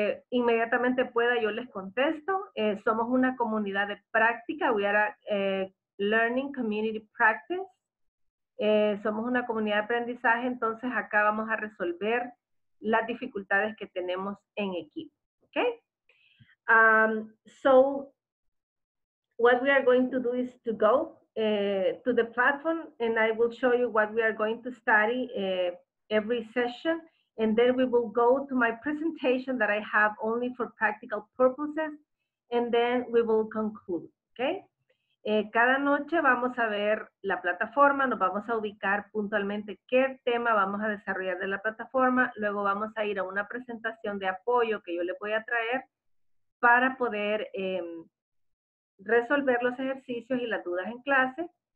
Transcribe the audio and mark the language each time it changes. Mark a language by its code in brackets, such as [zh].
[es] Inmediatamente pueda, yo les contesto. Somos una comunidad de práctica. [en] We are a learning community practice. [es] Somos una comunidad de aprendizaje. Entonces, acá vamos a resolver las dificultades que tenemos en equipo. ¿Ok? [en] So, what we are going to do is to go to the platform, and I will show you what we are going to study every session, and then we will go to my presentation that I have only for practical purposes, and then we will conclude, okay? [es] Cada noche vamos a ver la plataforma, nos vamos a ubicar puntualmente qué tema vamos a desarrollar de la plataforma, luego vamos a ir a una presentación de apoyo que yo le voy a traer para poder resolver los ejercicios y las dudas en clase.